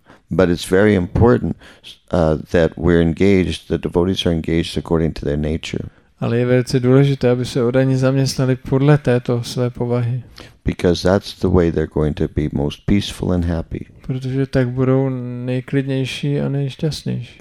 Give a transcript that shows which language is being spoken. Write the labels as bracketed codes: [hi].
[en] But it's very important that we're engaged, the devotees are engaged according to their nature. [cs] Ale je velice důležité, aby se oddaní zaměstnali podle této své povahy. [en] Because that's the way they're going to be most peaceful and happy. [cs] Protože tak budou nejklidnější a nejšťastnější.